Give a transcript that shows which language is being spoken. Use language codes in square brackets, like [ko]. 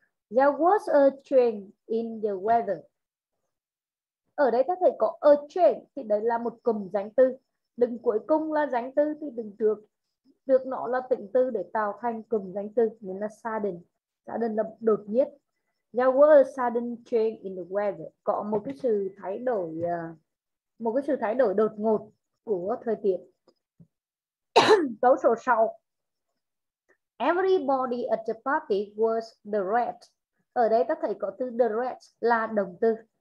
[vi] There was a change in the weather. Ở đây các thầy có a change thì đấy là một cụm danh từ. Đừng cuối cùng là danh từ thì đừng được được nó là tính từ để tạo thành cụm danh từ nên là sudden. Sudden là đột nhiên. [en] There was a sudden change in the weather. [vi] Có một cái sự thay đổi, một cái sự thay đổi đột ngột của thời tiết. Câu số 6. Everybody at the party was dressed. Ở đây các thầy có từ dressed là động từ.